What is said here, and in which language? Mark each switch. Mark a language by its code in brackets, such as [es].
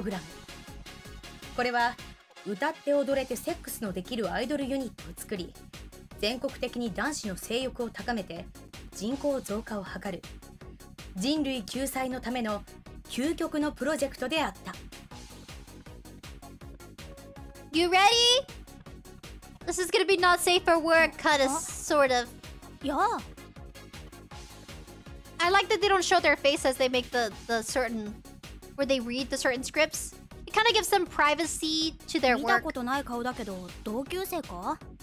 [ja] 結婚と出生率の極端な低下により、人口の減少に歯止めがかからなくなった現代。これを打開するために、政府はある法案を作った。性欲促進家族計画法。名付けて WSK プログラム。これは 歌って踊れてセックスのできるアイドルユニットを作り、全国的に男子の性欲を高めて人口増加を図る人類救済のための究極のプロジェクトであった。 [en] You ready? This is gonna be not safe for work, kind of, sort of. Yeah. I like that they don't show their face as they make the certain, where they read the certain scripts. It kind of gives them privacy to their work. [ja] 見たことない顔だけど、同級生か?